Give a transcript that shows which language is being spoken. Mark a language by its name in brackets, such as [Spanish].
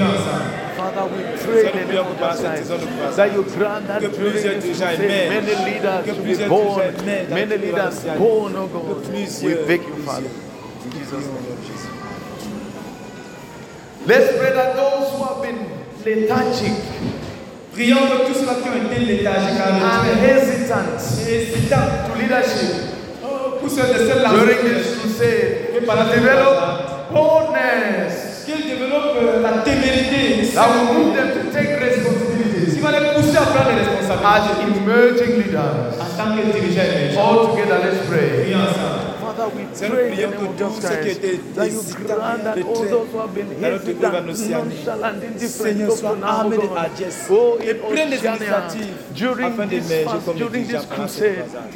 [English] Father, we pray that you grant that during this crusade, many leaders should be born. Many leaders born, oh God. We beg you, Father, in Jesus' name. Let's pray that those who have been lethargic. [French] Prions que tous ceux qui ont été léthargiques [English] and hesitant, hesitant to leadership. [French] Pour ceux de celles-là, [English] during this crusade, [French] qu'ils développent boldness, qu'ils développent la témérité, [English] that will move them to take responsibilities. [French] Qui va les pousser à prendre les responsabilités. [English] As emerging leaders, [French] en tant que dirigeants émergents. [English] All together, let's pray. [French] Prions. [English] Father, we pray for those who have been hesitant, nonchalant, indifferent, during this crusade,